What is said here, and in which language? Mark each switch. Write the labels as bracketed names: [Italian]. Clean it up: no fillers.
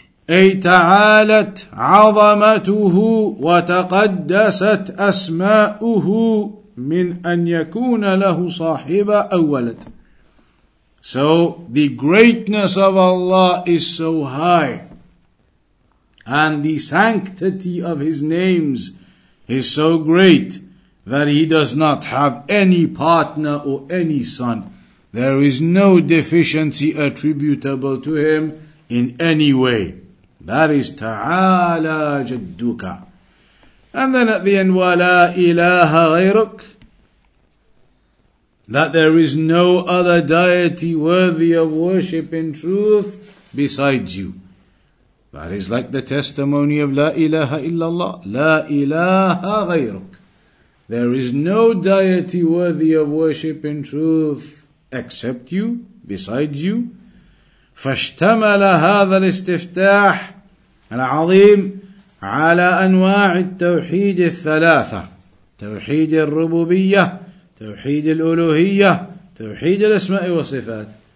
[Arabic] أي تعالت عظمته وتقدست أسماؤه من أن يكون له صاحبة أو ولد. [English] So the greatness of Allah is so high, and the sanctity of His names is so great, that He does not have any partner or any son. There is no deficiency attributable to Him in any way. That is [Arabic] ta'ala jadduka. [English] And then at the end, [Arabic] wa la ilaha ghayruk, [English] that there is no other deity worthy of worship in truth besides you. That is like the testimony of [Arabic] la ilaha illallah, la ilaha ghayruk. [English] There is no deity worthy of worship in truth except you, besides you. [Arabic] Fashtamala hadha al-istiftah العظيم على أنواع التوحيد الثلاثة: توحيد الربوبية، توحيد الألوهية، توحيد الأسماء والصفات.